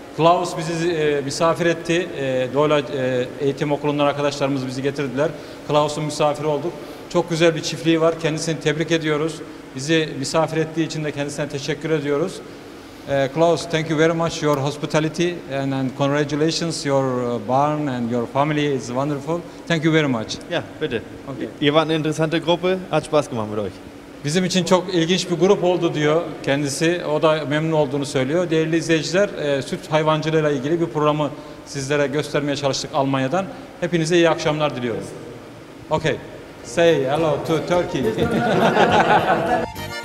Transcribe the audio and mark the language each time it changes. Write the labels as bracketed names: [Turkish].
[Turkish] Klaus bizi misafir etti. Doğla eğitim okulundan arkadaşlarımız bizi getirdiler. Klaus'un misafiri olduk. Çok güzel bir çiftliği var. Kendisini tebrik ediyoruz. Bizi misafir ettiği için de kendisine teşekkür ediyoruz. [English] Klaus, thank you very much your hospitality and congratulations your barn and your family is wonderful. Thank you very much. [German] Ja, bitte. Okay. Ihr wart eine interessante Gruppe. Hat Spaß gemacht mit euch. [Turkish] Bizim için çok ilginç bir grup oldu diyor kendisi. O da memnun olduğunu söylüyor. Değerli izleyiciler, süt hayvancılığıyla ilgili bir programı sizlere göstermeye çalıştık Almanya'dan. Hepinize iyi akşamlar diliyorum. Okay. [English] Say hello to Turkey.